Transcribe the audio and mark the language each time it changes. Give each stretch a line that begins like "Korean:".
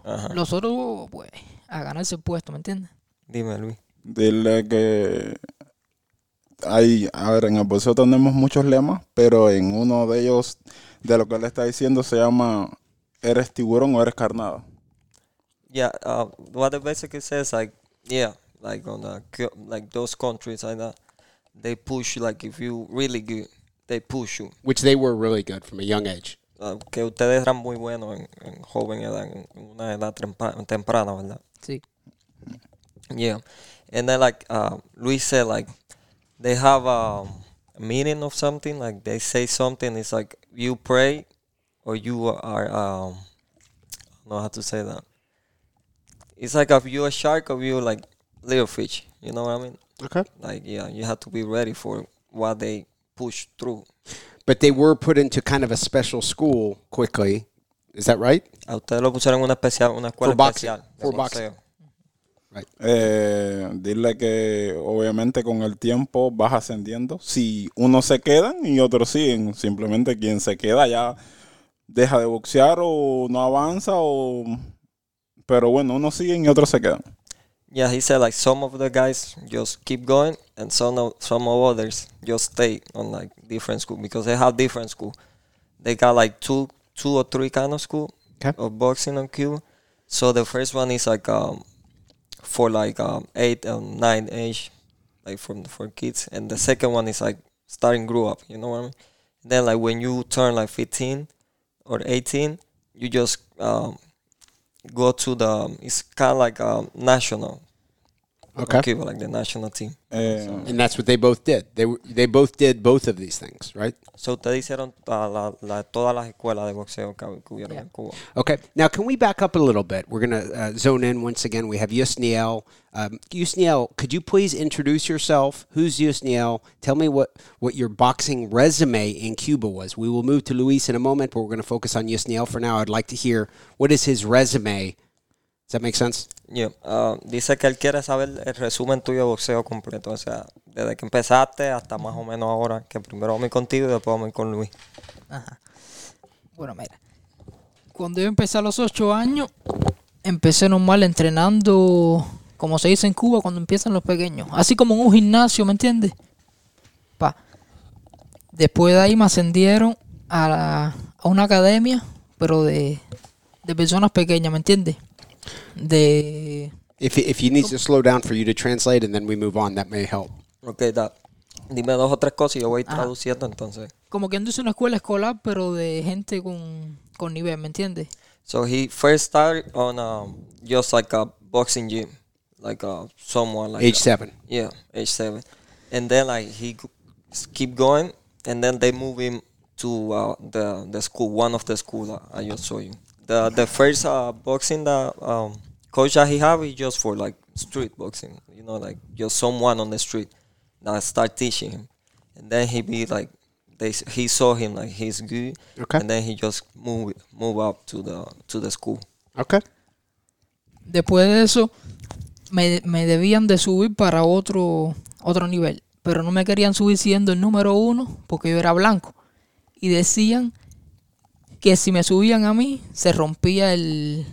Spanish: Ajá. Los otros, pues, a ganarse el puesto, ¿me entiendes? Dime, Luis. Dile que hay, a ver, en el bolso tenemos muchos lemas, pero en uno de ellos, de lo que le está diciendo, se llama ¿eres tiburón o eres carnado?
English: Yeah, what it basically says, like, yeah, like on the, like those countries, like that, they push, like, if you really good, they push you. Which they were really good from a young age.
Spanish: Que ustedes eran muy buenos en joven edad, en una edad temprana, ¿verdad? Sí.
English: Yeah. And then, like, Luis said, like, they have a meaning of something, like, they say something, it's like, you pray, or you are, I don't know how to say that. It's like if you're a shark or you're like little fish. You know what I mean? Okay. Like, yeah, you have to be ready for what they push through. But they were put into kind of a special school quickly. Is that right?
Spanish: A ustedes lo pusieron una especial, una escuela especial.
English: For boxing. Right.
Spanish: Dile que obviamente con el tiempo vas ascendiendo. Si unos se quedan y otros siguen. Simplemente quien se queda ya deja de boxear o no avanza o pero bueno, unos siguen y otros se quedan.
English: Yeah, he said like some of the guys just keep going and some of others just stay on like different school because they have different school. They got like two or three kind of school, okay, of boxing on Cuba. So the first one is like for like 8 and 9 age, like for kids, and the second one is like starting grow up, you know what I mean? And then like when you turn like 15 or 18, you just go to the, it's kind of like a national. Okay. Cuba, like the national team. And that's what they both did. They both did both of these things, right?
Spanish: So ustedes hicieron todas las escuelas de boxeo que hubieron en Cuba.
English: Okay. Now, can we back up a little bit? We're going to zone in once again. We have Yusniel. Yusniel, could you please introduce yourself? Who's Yusniel? Tell me what your boxing resume in Cuba was. We will move to Luis in a moment, but we're going to focus on Yusniel for now. I'd like to hear, what is his resume? Does that make sense? Yeah.
Spanish: Dice que él quiere saber el resumen tuyo de boxeo completo. O sea, desde que empezaste hasta más o menos ahora, que primero vamos contigo y después vamos con Luis. Ajá. Bueno, mira. Cuando yo empecé a los 8 años, empecé normal entrenando, como se dice en Cuba, cuando empiezan los pequeños. Así como en un gimnasio, ¿me entiendes? Pa. Después de ahí me ascendieron a una academia, pero de personas pequeñas, ¿me entiendes? De
English: if you need to slow down for you to translate and then we move on, that may help.
Spanish: Okay, dime dos o tres cosas y yo voy traduciendo entonces. Como que anduve en una escuela escolar, pero de gente con nivel, ¿me entiendes?
English: So he first started on just like a boxing gym, like someone like age 7. Yeah, age 7. And then like he keep going and then they move him to the school, one of the schools I just saw you. The first boxing that coach that he have is just for like street boxing, you know, like just someone on the street that start teaching him, and then he be like, he saw him like he's good, okay, and then he just move up to the school. Okay.
Spanish: Después de eso, me debían de subir para otro nivel, pero no me querían subir siendo el número uno porque yo era blanco, y decían que si me subían a mí, se rompía el...